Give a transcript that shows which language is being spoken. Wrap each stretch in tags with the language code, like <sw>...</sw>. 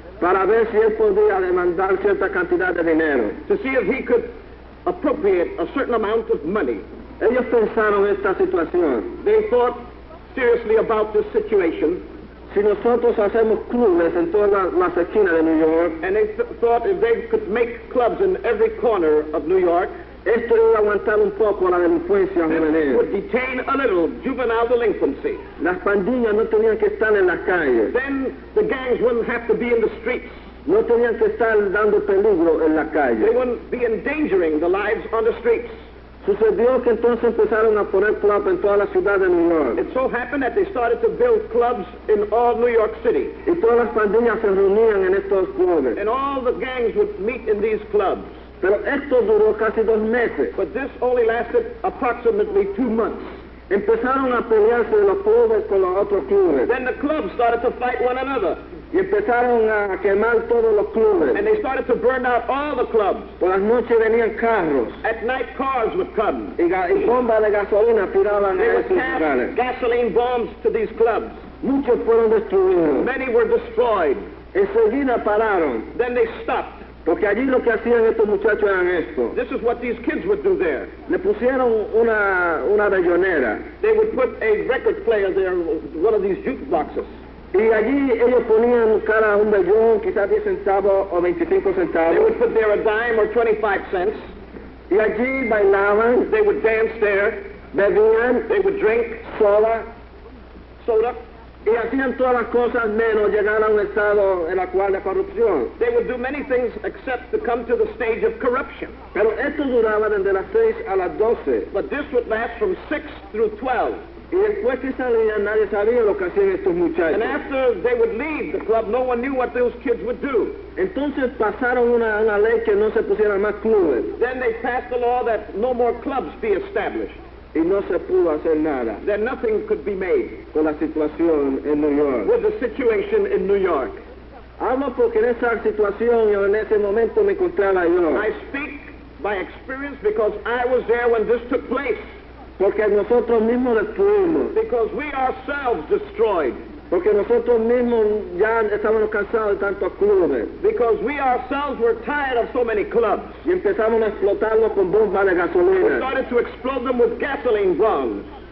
<es>para ver si él podía demandar cierta cantidad de dinero.</es> <en>To see if he could appropriate a certain amount of money.</en> <es>Ellos pensaron esta situación.</es> <en>They thought seriously about this situation.</en> <es>Si nosotros hacemos clubes en todas las esquinas de New York,</es> <en>and they thought if they could make clubs in every corner of New York,</en> <es>esto iba a aguantar un poco la delincuencia juvenil.</es> <en>Would detain a little juvenile delinquency.</en> <es>Las pandillas no tenían que estar en las calles.</es> <en>Then the gangs wouldn't have to be in the streets.</en> <es>No tenían que estar dando peligro en las calles.</es> <en>They wouldn't be endangering the lives on the streets.</en> <es>Sucedió que entonces empezaron a poner clubs en toda la ciudad de New York.</es> <en>It so happened that they started to build clubs in all New York City.</en> <es>Y todas las pandillas se reunían en estos clubes.</es> <en>And all the gangs would meet in these clubs.</en> <es>Pero esto duró casi dos meses.</es> <en>But this only lasted approximately 2 months.</en> <es>Empezaron a pelearse los clubes con los otros clubes.</es> <en>Then the clubs started to fight one another.</en> <es>Y empezaron a quemar todos los clubes.</es> <en>And they started to burn out all the clubs.</en> <es>Por las noches venían carros.</es> <en>At night cars would come.</en> <es>Y bombas de gasolina tiraban</es> <en>they</en> <es>a esos lugares.</es> <en>Gasoline bombs to these clubs.</en> <es>Muchos fueron destruidos.</es> <en>Many were destroyed.</en> <es>Enseguida pararon.</es> <en>Then they stopped.</en> <es>Porque allí lo que hacían estos muchachos eran esto.</es> <en>This is what these kids would do there.</en> <es>Le pusieron una bellonera.</es> <en>They would put a record player there, one of these jukeboxes.</en> <es>Y allí ellos ponían cada un bellón, quizás 10 centavos o 25 centavos.</es> <en>They would put there a dime or 25 cents.</en> <es>Y allí bailaban.</es> <en>They would dance there.</en> <es>Bebían.</es> <en>They would drink.</en> <es>Soda.</es> <en>Soda.</en> <es>Y hacían todas las cosas menos llegar a un estado en la cual la corrupción.</es> <en>They would do many things except to come to the stage of corruption.</en> <es>Pero esto duraba desde las 6 a las 12.</es> <en>But this would last from 6 through 12.</en> <es>Y después que salían, nadie sabía lo que hacían estos muchachos.</es> <en>And after they would leave the club, no one knew what those kids would do.</en> <es>Entonces pasaron una ley que no se pusieran más clubes.</es> <en>Then they passed a law that no more clubs be established.</en> <es>Y no se pudo hacer nada.</es> <en>Then nothing could be made.</en> <es>Con la situación en New York.</es> <en>With the situation in New York.</en> <es>Hablo porque en esa situación yo en ese momento me encontraba yo.</es> <en>I speak by experience because I was there when this took place.</en> <es>Porque nosotros mismos destruimos.</es> <en>Because we ourselves destroyed.</en> <es>Porque nosotros mismos ya estábamos cansados de tantos clubes.</es> <en>Because we ourselves were tired of so many clubs.</en> <es>Y empezamos a explotarlos con bombas de gasolina.</es> <en>We started to explode them with gasoline bombs.</en>